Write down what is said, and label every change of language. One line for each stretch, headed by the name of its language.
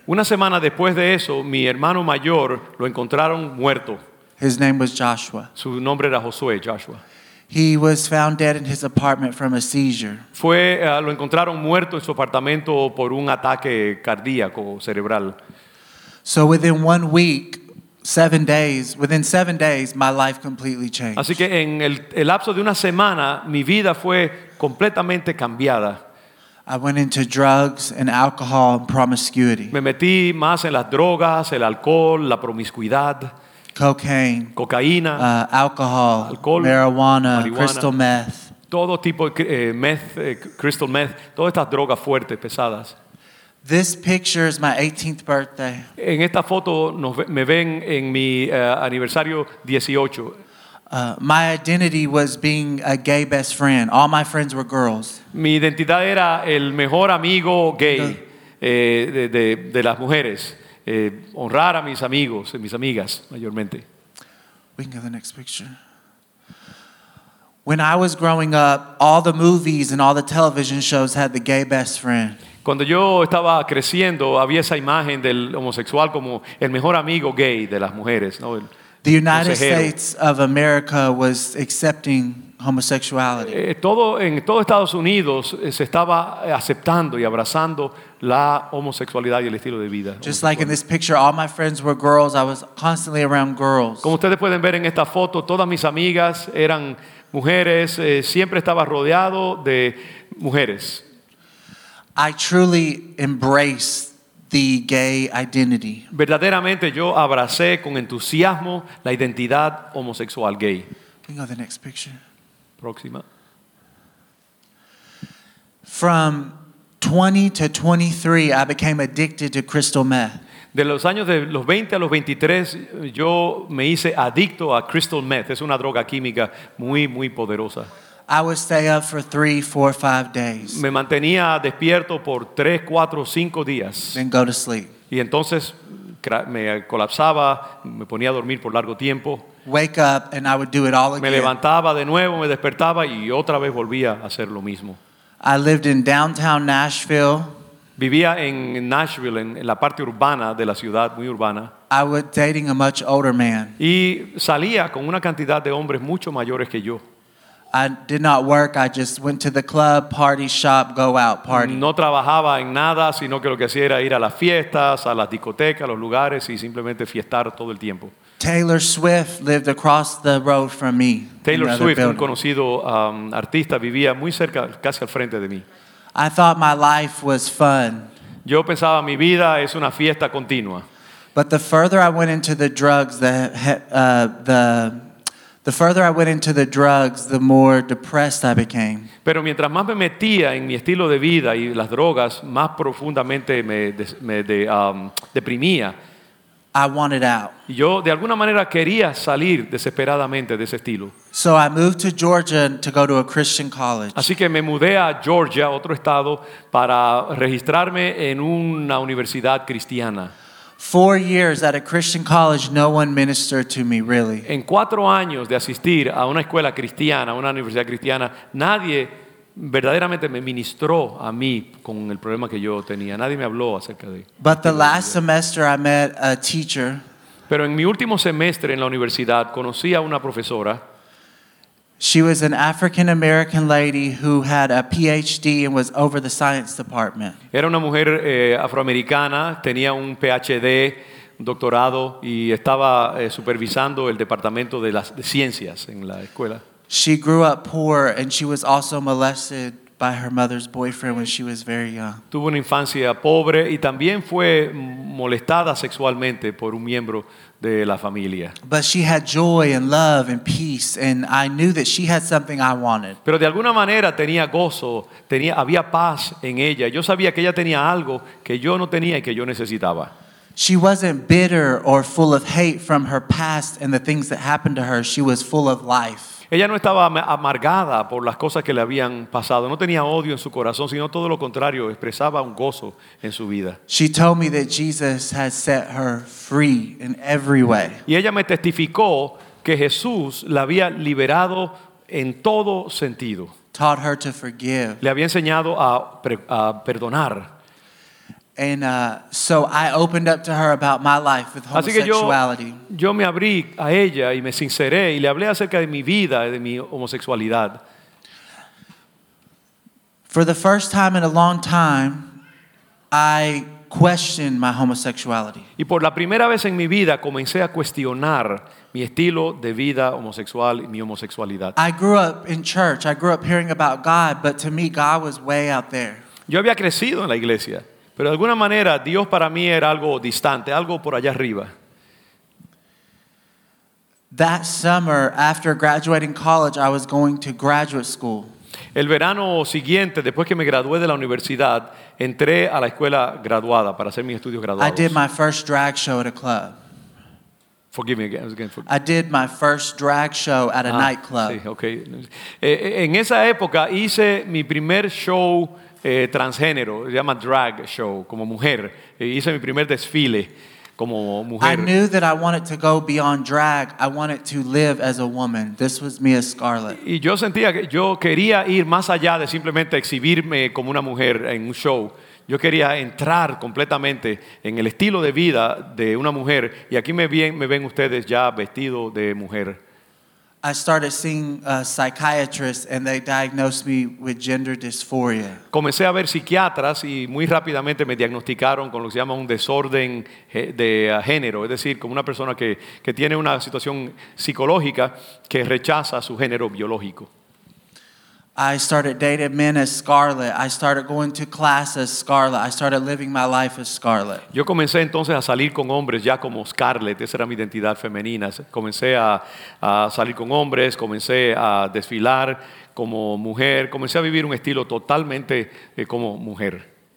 Spanish: Una semana después de eso, mi hermano mayor lo encontraron muerto.
English: His name was Joshua.
Spanish: Su nombre era Josué, Joshua.
English: He was found dead in his apartment from a seizure.
Spanish: Lo encontraron muerto en su apartamento por un ataque cardíaco cerebral.
English: So within 1 week, 7 days, within 7 days, my life completely changed.
Spanish: Así que en el lapso de una semana, mi vida fue completamente cambiada.
English: I went into drugs and alcohol and promiscuity.
Spanish: Me metí más en las drogas, el alcohol, la promiscuidad.
English: Cocaine.
Spanish: Cocaína.
English: Alcohol.
Spanish: Alcohol.
English: Marijuana. Crystal meth.
Spanish: Todo tipo de crystal meth. Todas estas drogas fuertes, pesadas.
English: This picture is my 18th birthday.
Spanish: En esta foto me ven en mi aniversario 18.
English: My identity was being a gay best friend. All my friends were girls.
Spanish: Mi identidad era el mejor amigo gay de las mujeres. Honrar a mis amigos y mis amigas mayormente.
English: We can go to the next picture. When I was growing up, all the movies and all the television shows had the gay best friend.
Spanish: Cuando yo estaba creciendo, había esa imagen del homosexual como el mejor amigo gay de las mujeres, ¿no?
English: The United States of America was accepting homosexuality.
Spanish: En todo Estados Unidos se estaba aceptando y abrazando la homosexualidad y el estilo de vida.
English: Just like in this picture, all my friends were girls. I was constantly around girls.
Spanish: Como ustedes pueden ver en esta foto, todas mis amigas eran mujeres. Siempre estaba rodeado de mujeres.
English: I truly embraced the gay identity.
Spanish: Verdaderamente yo abracé con entusiasmo la identidad homosexual gay.
English: We can go to the next picture.
Spanish: Próxima.
English: From 20 to 23, I became addicted to crystal meth.
Spanish: De los años de los 20 a los 23, yo me hice adicto a crystal meth. Es una droga química muy, muy poderosa.
English: I would stay up for 3, 4, 5 days.
Spanish: Me mantenía despierto por 3, 4, 5 días.
English: Then go to sleep.
Spanish: Y entonces me colapsaba, me ponía a dormir por largo tiempo.
English: Wake up and I would do it all again.
Spanish: Me levantaba de nuevo, me despertaba y otra vez volvía a hacer lo mismo.
English: I lived in downtown Nashville.
Spanish: Vivía en Nashville, en la parte urbana de la ciudad, muy urbana.
English: I was dating a much older man.
Spanish: Y salía con una cantidad de hombres mucho mayores que yo.
English: I did not work. I just went to the club, party, shop, go out, party.
Spanish: No trabajaba en nada, sino que lo que hacía era ir a las fiestas, a las discotecas, a los lugares y simplemente fiestar todo el tiempo.
English: Taylor Swift lived across the road from me. Taylor Swift, building.
Spanish: Un conocido artista, vivía muy cerca, casi al frente de mí.
English: I thought my life was fun.
Spanish: Yo pensaba mi vida es una fiesta continua.
English: But the further I went into the drugs, the The further I went into the drugs, the more depressed I became.
Spanish: Pero mientras más me metía en mi estilo de vida y las drogas, más profundamente me deprimía.
English: I wanted out.
Spanish: Yo de alguna manera quería salir desesperadamente de ese estilo.
English: So I moved to Georgia to go to a Christian college.
Spanish: Así que me mudé a Georgia, otro estado, para registrarme en una universidad cristiana.
English: 4 years at a Christian college, no one ministered to me really.
Spanish: En 4 años de asistir a una escuela cristiana, una universidad cristiana, nadie verdaderamente me ministró a mí con el problema que yo tenía. Nadie me habló acerca de.
English: But the last semester, I met a teacher.
Spanish: Pero en mi último semestre en la universidad conocí a una profesora.
English: She was an African American lady who had a PhD and was over the science department.
Spanish: Era una mujer afroamericana, tenía un PhD, doctorado, y estaba supervisando el departamento de las ciencias en la escuela.
English: She grew up poor and she was also molested by her mother's boyfriend when she was very young.
Spanish: Tuvo una infancia pobre y también fue molestada sexualmente por un miembro de la familia.
English: But she had joy and love and peace, and I knew that she had something I wanted.
Spanish: Pero de alguna manera tenía gozo, había paz en ella. Yo sabía que ella tenía algo que yo no tenía y que yo necesitaba.
English: She wasn't bitter or full of hate from her past and the things that happened to her. She was full of life.
Spanish: Ella no estaba amargada por las cosas que le habían pasado. No tenía odio en su corazón, sino todo lo contrario, expresaba un gozo en su vida.
English: She told me that Jesus has set her free in every way.
Spanish: Y ella me testificó que Jesús la había liberado en todo sentido.
English: Taught her to forgive.
Spanish: Le había enseñado a perdonar.
English: And so I opened up to her about my life with homosexuality.
Spanish: Así que yo me abrí a ella y me sinceré y le hablé acerca de mi vida, de mi homosexualidad.
English: For the first time in a long time, I questioned my homosexuality.
Spanish: Y por la primera vez en mi vida comencé a cuestionar mi estilo de vida homosexual y mi homosexualidad.
English: I grew up in church. I grew up hearing about God, but to me, God was way out there.
Spanish: Yo había crecido en la iglesia. Pero de alguna manera Dios para mí era algo distante, algo por allá arriba.
English: That summer after graduating college, I was going to graduate school.
Spanish: El verano siguiente, después que me gradué de la universidad, entré a la escuela graduada para hacer mis estudios graduados.
English: I did my first drag show at a club. Forgive me again. I was again. I did my first drag show at a nightclub.
Spanish: Sí, okay. En esa época hice mi primer show transgénero, se llama drag show, como mujer. Hice mi primer desfile como mujer.
English: I knew that I wanted to go beyond drag. I wanted to live as a woman. This was me as Scarlett.
Spanish: Y yo sentía que yo quería ir más allá de simplemente exhibirme como una mujer en un show. Yo quería entrar completamente en el estilo de vida de una mujer. Y aquí me ven ustedes ya vestido de mujer.
English: I started seeing a psychiatrist and they diagnosed me with gender dysphoria.
Spanish: Comencé a ver psiquiatras y muy rápidamente me diagnosticaron con lo que se llama un desorden de género, es decir, como una persona que tiene una situación psicológica que rechaza su género biológico.
English: I started dating men as Scarlett. I started going to class as Scarlett. I started living my life as Scarlett.
Spanish: Yo comencé entonces a salir con hombres ya como Scarlett. Esa era mi identidad femenina. Comencé a salir con hombres. Comencé a desfilar como mujer. Comencé a vivir un estilo totalmente como mujer.